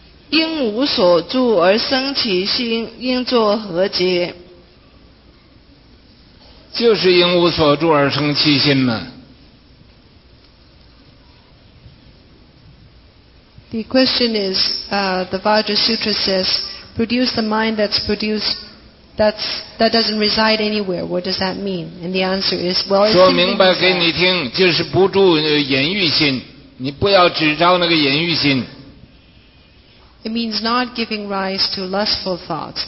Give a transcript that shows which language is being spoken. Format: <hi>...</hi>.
<zh>因无所住而生其心，应作何解？就是因无所住而生其心嘛。</zh> <en>The question is, the Vajrasutra says, produce the mind that doesn't reside anywhere. What does that mean? And the answer is, well,</en> <zh>说明白给你听，就是不住淫欲心，你不要只照那个淫欲心。</zh> <en>It means not giving rise to lustful thoughts.</en>